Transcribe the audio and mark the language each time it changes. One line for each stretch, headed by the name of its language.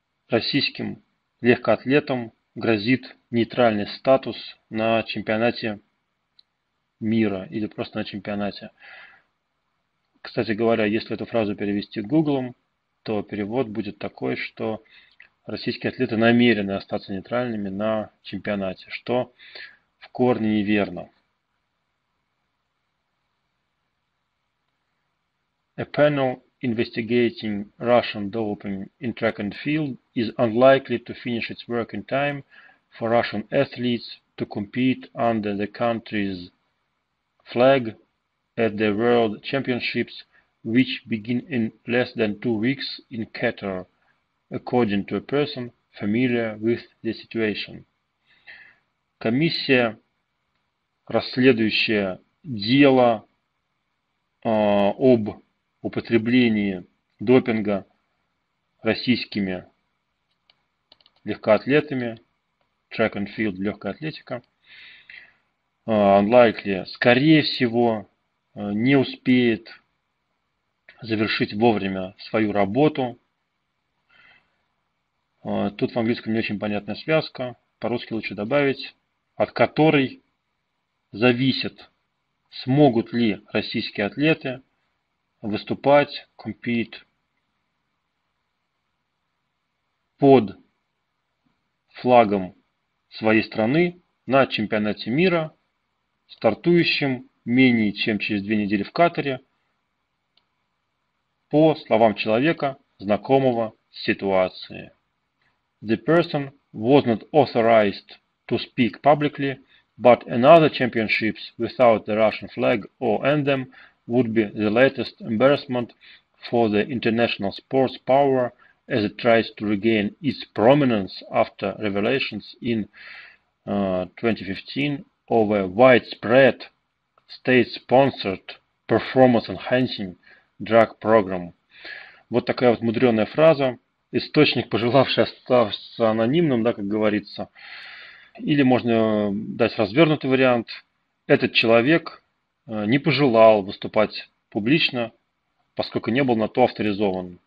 Russian: Российским легкоатлетам грозит нейтральный статус на чемпионате мира или просто на чемпионате. Кстати говоря, если эту фразу перевести Гуглом, то перевод будет такой, что российские атлеты намерены остаться нейтральными на чемпионате, что в корне неверно.
English: A panel investigating Russian doping in track and field is unlikely to finish its work in time for Russian athletes to compete under the country's flag at the World Championships, which begin in less than 2 weeks in Qatar, according to a person familiar with the situation.
Russian: Комиссия, расследующая дело об употреблении допинга российскими легкоатлетами,
English: track and field,
Russian: легкая атлетика, unlikely, скорее всего, не успеет завершить вовремя свою работу. Тут в английском не очень понятная связка. По-русски лучше добавить, от которой зависит, смогут ли российские атлеты выступать, compete под флагом своей страны на чемпионате мира, стартующем менее чем через 2 недели в Катаре, по словам человека, знакомого с ситуацией.
English: The person was not authorized to speak publicly, but another championships without the Russian flag or anthem would be the latest embarrassment for the international sports power as it tries to regain its prominence after revelations in 2015 of a widespread state-sponsored performance-enhancing drug program.
Russian: Вот такая вот мудреная фраза. Источник, пожелавший остаться анонимным, да, как говорится. Или можно дать развернутый вариант. Этот человек не пожелал выступать публично, поскольку не был на то авторизован.